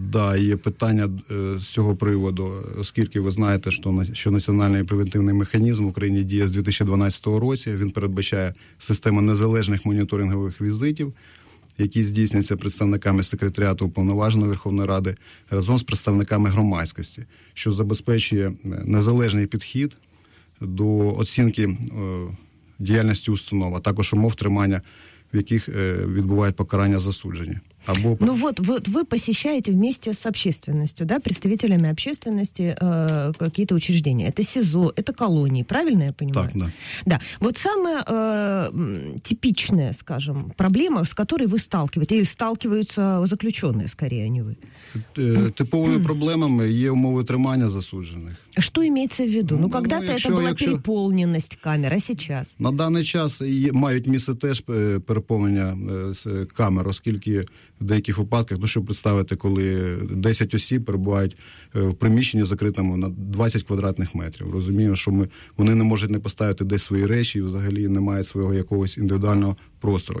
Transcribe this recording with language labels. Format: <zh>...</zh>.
<uk>Да, є питання з цього приводу, оскільки ви знаєте, що національний превентивний механізм в Україні діє з 2012 року, він передбачає систему незалежних моніторингових візитів, які здійснюються представниками секретаріату Уповноваженого Верховної Ради разом з представниками громадськості, що забезпечує незалежний підхід до оцінки діяльності установ, а також умов тримання, в яких відбувають покарання засуджені. Або...</uk> <ru>Ну, вот ви посещаєте вместе з общественностью, да, представителями общественности какие-то учреждения. Это СИЗО, это колонии, правильно я понимаю?</ru> <uk>Так, да.</uk> <ru>Да. Вот самая типичная, скажем, проблема, с которой вы сталкиваетесь, или сталкиваются заключенные, скорее, а не вы.</ru> <uk>Типовыми проблемами є умови тримання засуджених.</uk> <ru>Что имеется в виду? Ну когда-то якщо... переполненность камер, а сейчас?</ru> <uk>На даний час мають місце теж переповнення камер, оскільки в деяких випадках, ну, щоб представити, коли 10 осіб перебувають в приміщенні закритому на 20 квадратних метрів. Розумію, що вони не можуть не поставити десь свої речі, взагалі не мають свого якогось індивідуального простору.</uk>